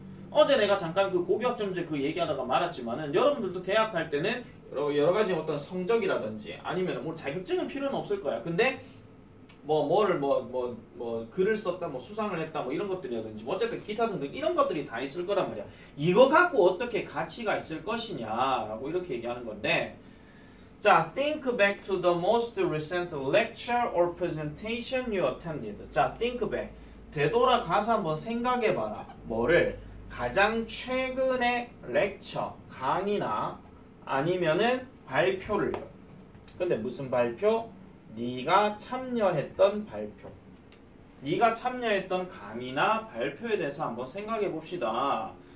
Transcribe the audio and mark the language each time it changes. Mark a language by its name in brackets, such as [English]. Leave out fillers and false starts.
[Korean] 어제 내가 잠깐 그 고교학점제 그 얘기하다가 말았지만은 여러분들도 대학 갈 때는 여러 가지 어떤 성적이라든지 아니면 뭐 자격증은 필요는 없을 거야. 근데 뭐 뭐를 뭐 글을 썼다 뭐 수상을 했다 뭐 이런 것들이라든지 뭐 어쨌든 기타 등등 이런 것들이 다 있을 거란 말이야. 이거 갖고 어떻게 가치가 있을 것이냐라고 이렇게 얘기하는 건데. 자, [English] think back to the most recent lecture or presentation you attended. 자, think back. [Korean] 되돌아가서 한번 생각해봐라. 뭐를? 가장 최근에 lecture, 강의나 아니면은 발표를. 근데 무슨 발표? 네가 참여했던 발표. 네가 참여했던 강의나 발표에 대해서 한번 생각해봅시다.